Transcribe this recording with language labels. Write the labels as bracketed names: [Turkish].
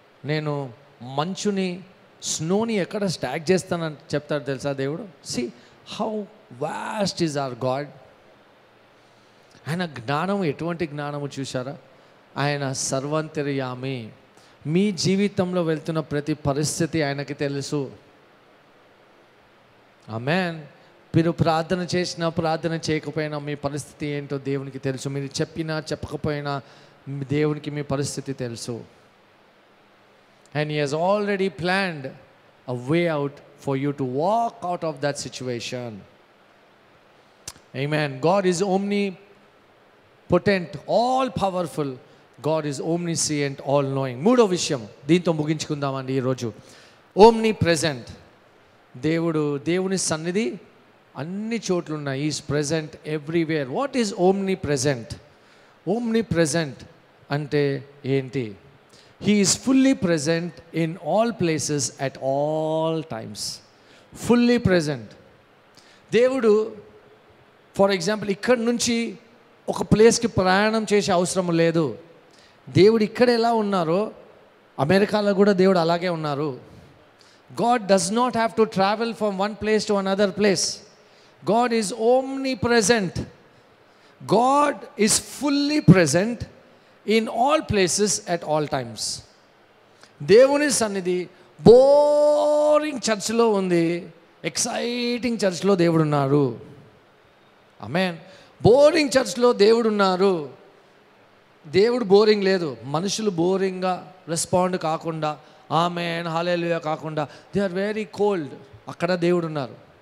[Telugu] నేను మంచుని స్నోని ఎక్కడ స్టాక్ చేస్తానని చెప్తాడు తెలుసా దేవుడు [English] see how vast is our god [Telugu] ఆయన జ్ఞానం ఎటువంటి జ్ఞానము చూసారా ఆయన సర్వాంతర్యామి మీ జీవితంలో వెళ్తున్న ప్రతి పరిస్థితి ఆయనకి తెలుసు ఆమెన్ మీరు ప్రార్థన చేసినా ప్రార్థన చేయకపోయినా మీ పరిస్థితి ఏంటో దేవునికి తెలుసు మీరు చెప్పినా చెప్పకపోయినా దేవునికి మీ పరిస్థితి తెలుసు [English] and he has already planned a way out for you to walk out of that situation. Amen. God is omnipotent, all powerful. God is omniscient, all knowing. [Telugu] మూడో విషయం దీంతో ముగించుకుందామండి ఈ రోజు. Omnipresent. దేవుడు, దేవుని సన్నిధి అన్ని చోట్ల ఉన్నాయి. [English] He is present everywhere. What is omnipresent? [Telugu] Omnipresent అంటే ఏంటి? [English] He is fully present in all places at all times. Fully present. [Telugu] దేవుడు, [English] for example, [Telugu] ఇక్కడి నుంచి ఒక ప్లేస్కి ప్రయాణం చేసే అవసరం లేదు. దేవుడు ఇక్కడ ఎలా ఉన్నారో అమెరికాలో కూడా దేవుడు అలాగే ఉన్నారు. [English] God does not have to travel from one place to another place. God is omnipresent. God is fully present in all places at all times. [Telugu] దేవుని సన్నిధి బోరింగ్ చర్చ్లో ఉంది, ఎక్సైటింగ్ చర్చ్లో దేవుడు ఉన్నారు. ఆమేన్. బోరింగ్ చర్చ్లో దేవుడు ఉన్నారు. దేవుడు బోరింగ్ లేదు. మనుషులు బోరింగ్గా రెస్పాండ్ కాకుండా, ఆమేన్ హల్లెలూయా కాకుండా, [English] They are very cold. [Telugu] అక్కడ దేవుడు ఉన్నారు.